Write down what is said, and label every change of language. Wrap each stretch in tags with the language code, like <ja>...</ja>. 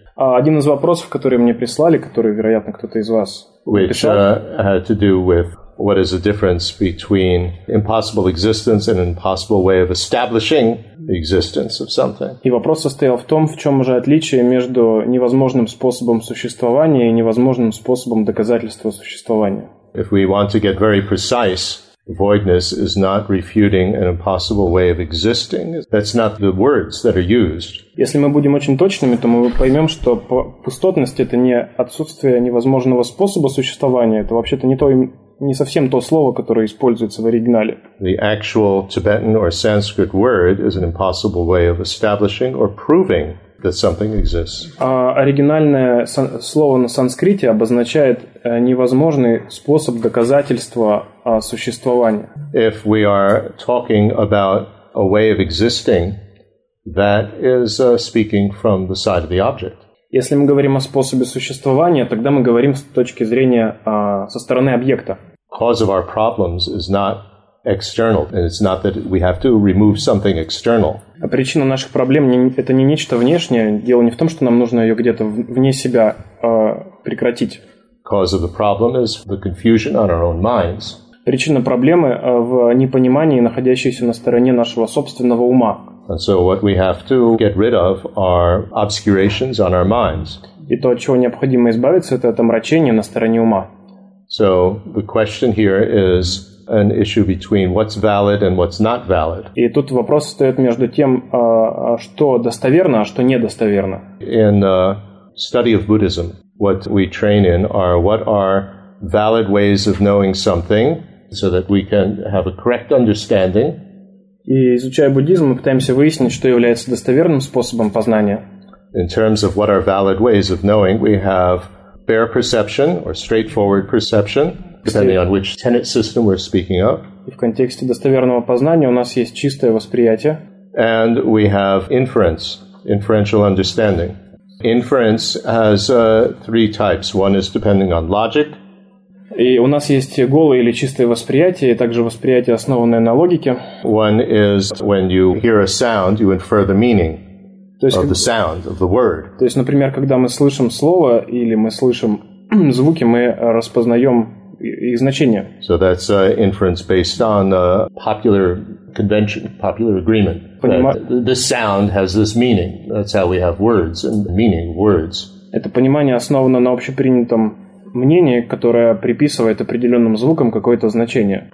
<ru>Один из вопросов, который мне прислали, который, вероятно, кто-то из вас писал,</ru> <en>which had to do with what is the difference between impossible existence and impossible way of establishing the existence of something.</en> <ru>И вопрос состоял в том, в чем же отличие между невозможным способом существования и невозможным способом доказательства существования.</ru> <en>If we want to get very precise, voidness is not refuting an impossible way of existing. That's not the words that are used.</en> <ru>Если мы будем очень точными, то мы поймем, что пустотность – это не отсутствие невозможного способа существования. Это вообще-то не совсем то слово, которое используется в оригинале.</ru> <en>The actual Tibetan or Sanskrit word is an impossible way of establishing or proving that something exists.</en> <ru>Оригинальное слово на санскрите обозначает невозможный способ доказательства существования.</ru> <en>If we are talking about a way of existing, that is speaking from the side of the object.</en> <ru>Если мы говорим о способе существования, тогда мы говорим с точки зрения со стороны объекта.</ru> <en>Cause of our problems is not external. It's not that we have to remove something external.</en> <ru>А причина наших проблем не, это не нечто внешнее. Дело не в том, что нам нужно ее где-то вне себя прекратить.</ru> <en>Cause of the problem is the confusion on our own minds.</en> <ru>Причина проблемы в непонимании, находящейся на стороне нашего собственного ума.</ru> <en>And so what we have to get rid of are obscurations on our minds.</en> <ru>И то, от чего необходимо избавиться, это мрачение на стороне ума.</ru> <en>So the question here is an issue between what's valid and what's not valid.</en> <ru>И тут вопрос стоит между тем, что достоверно, а что недостоверно.</ru> <en>In the study of Buddhism, what we train in are what are valid ways of knowing something so that we can have a correct understanding.</en> <ru>И изучая буддизм, мы пытаемся выяснить, что является достоверным способом познания.</ru> <en>In terms of what are valid ways of knowing, we have fair perception or straightforward perception, depending on which tenet system we're speaking of.</en> <ru>И в контексте достоверного познания у нас есть чистое восприятие.</ru> <en>And we have inference, inferential understanding. Inference has three types. One is depending on logic.</en> <ru>И у нас есть голое или чистое восприятие, и также восприятие, основанное на логике.</ru> <en>One is when you hear a sound, you infer the meaning of the sound, of the word.</en> <ru>То есть, например, когда мы слышим слово или мы слышим звуки, мы распознаем их значение.</ru> <en>So that's inference based on popular convention, popular agreement. This sound has this meaning. That's how we have words and meaning words.</en> <ru>Это понимание основано на общепринятом мнение, которое приписывает определенным звукам какое-то значение.</ru>